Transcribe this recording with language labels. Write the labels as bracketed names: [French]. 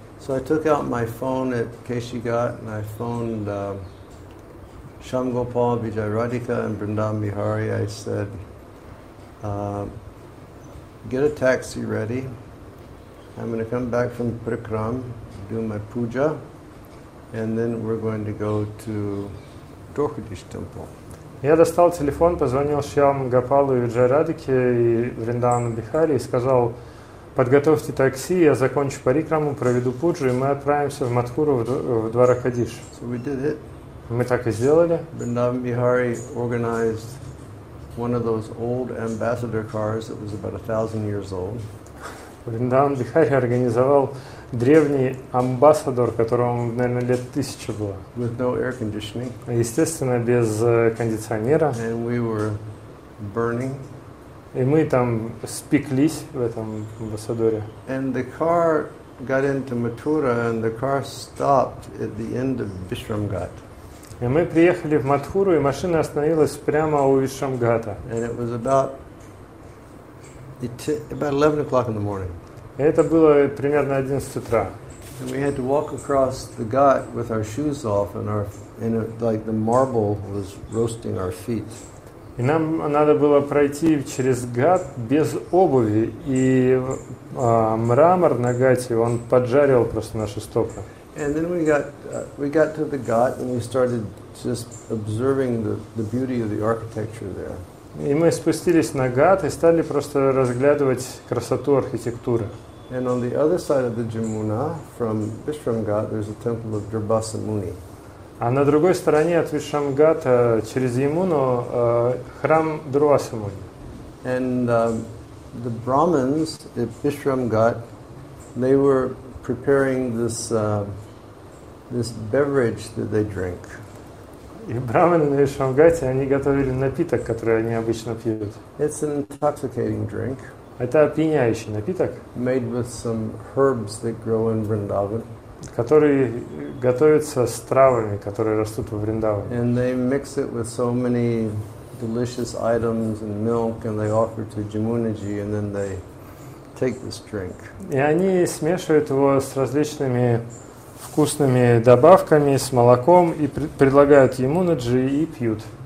[English] So I took out my phone at Кешигат and I phoned Shamgopal, Vijay Radhika and Vrindavan Bihari. I said, get a taxi ready. I'm going to come back from Parikram, do my puja, and then we're going to go to Dwarkadish temple. [Russian] Я достал телефон, позвонил Шьям Гопалу и Виджай Радике и Вриндавану Бихари и сказал: подготовьте такси, я закончу парикраму, проведу пуджу, и мы отправимся в Матхуру в Дваракадиш. [English] So we did it. [Russian] Мы так и сделали. [English] Вриндаван Бихари organized one of those old ambassador cars that was about 1,000 years old. [Russian] Вриндаван Бихари организовал древний амбассадор, которому, наверное, лет 1000 было. [English] With no air conditioning. [Russian] Естественно, без кондиционера. [English] And we were burning. [Russian] И мы там спеклись в этом амбассадоре. [English] And the car got into Mathura and the car stopped at the end of Vishramghat. [Russian] И мы приехали в Матхуру, и машина остановилась прямо у Вишрамгата. [English] And it was about 11 o'clock in the morning. [Russian] И это было примерно 11 утра. [English] And we had to walk across the ghat with our shoes off and like the marble was roasting our feet. [Russian] И нам надо было пройти через ghat без обуви, и мрамор на гате он поджарил просто наши стопы. [English] And then we got to the ghat and we started just observing the beauty of the architecture there. [Russian] И мы спустились на ghat и стали просто разглядывать красоту архитектуры. [English] And on the other side of the Jamuna, from Vishramghat, there's a temple of Durbasa Muni. [Russian] А на другой стороне от Вишрамгата через Ямуну храм Дурваса Муни. [English] And the Brahmins at Vishramghat, they were preparing this beverage that they drink. [Russian] И брахманы на Вишрамгате, они готовили напиток, который они обычно пьют. [English] It's an intoxicating drink. [Russian] Это опьяняющий напиток. [English] Made with some herbs that grow in Vrindavan. [Russian] Который готовится с травами, которые растут в Вриндаване. [English] And they mix it with so many delicious items and milk, and they offer to Jamunaji, and then they take this drink. [Russian] И они смешивают его с различными вкусными добавками, с молоком, и предлагают ему наджи и пьют.